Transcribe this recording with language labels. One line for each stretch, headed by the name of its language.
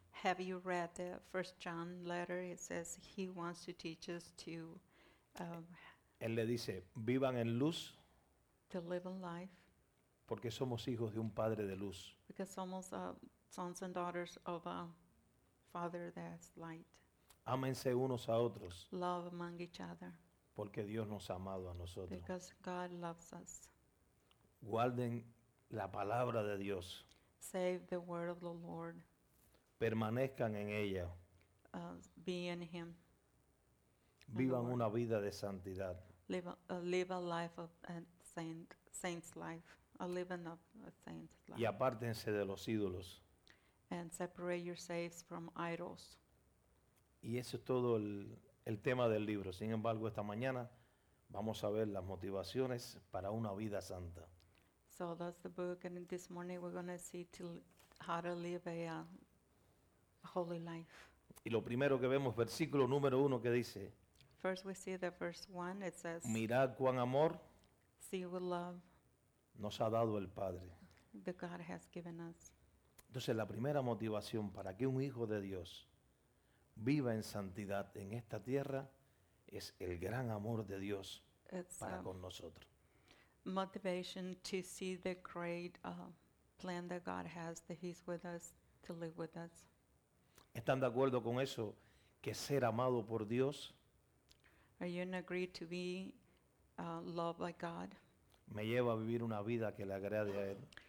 English: Have you read the First John letter? It says he wants to teach us to.
Spanish: Él le dice, vivan en luz.
English: To live in life.
Spanish: Porque somos hijos de un padre de luz.
English: Because
Spanish: somos
English: sons and daughters of a father that's light.
Spanish: Ámense unos a otros.
English: Love among each other.
Spanish: Porque Dios nos ha amado a nosotros.
English: Because God loves us.
Spanish: Guarden la palabra de Dios.
English: Save the word of the Lord.
Spanish: Permanezcan en ella.
English: Be in him.
Spanish: Vivan una vida de santidad.
English: Live a life of a saint's life. A living of a saint's life.
Spanish: Y apártense de los ídolos.
English: And separate yourselves from idols.
Spanish: Y eso es todo el tema del libro. Sin embargo, esta mañana vamos a ver las motivaciones para una vida santa.
English: So that's the book, and this morning we're going to see how to live a holy life.
Spanish: Y lo primero que vemos, versículo número uno, que dice.
English: First we see the verse one, it says.
Spanish: Mirad cuán amor.
English: See what love.
Spanish: Nos ha dado el Padre.
English: That God has given us.
Spanish: Entonces la primera motivación para que un hijo de Dios viva en santidad en esta tierra es el gran amor de Dios para con nosotros.
English: Motivation to see the great plan that God has, that he's with us, to live with us.
Spanish: ¿Están de acuerdo con eso? Que ser amado por Dios.
English: Are you in agreement to be loved by God?
Spanish: Me lleva a vivir una vida que le agrade a él.